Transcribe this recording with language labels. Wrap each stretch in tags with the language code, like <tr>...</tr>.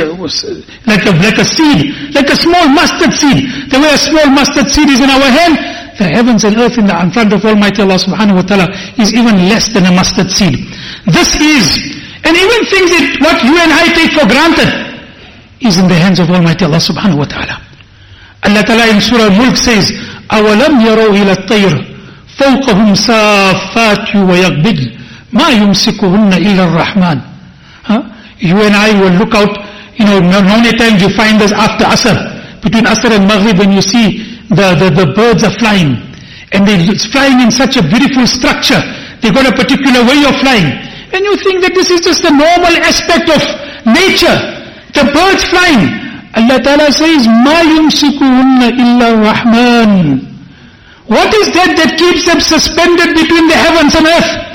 <en>Like a seed, like a small mustard seed. The way a small mustard seed is in our hand, the heavens and earth in front of Almighty Allah subhanahu wa ta'ala is even less than a mustard seed. This is, and even things that what you and I take for granted, is in the hands of Almighty Allah subhanahu wa ta'ala. Allah ta'ala in Surah Al-Mulk says,</en> <ar>أَوَلَمْ يَرَوْا إِلَى الطَّيْرِ فَوْقَهُمْ سَافَّاتٍ وَيَقْبِضْنَ مَا يُمْسِكُهُنَّ إِلَّا الرَّحْمَنُ.</ar> <en>You and I will look out, you know, many times you find us after Asr, between Asr and Maghrib, when you see the birds are flying, and they're flying in such a beautiful structure. They've got a particular way of flying. And you think that this is just a normal aspect of nature, the birds flying. Allah Ta'ala says,</en> <ar>مَا يُمْسِكُهُنَّ إِلَّا الرَّحْمَنُ.</ar> <en>What is that keeps them suspended between the heavens and earth?</en>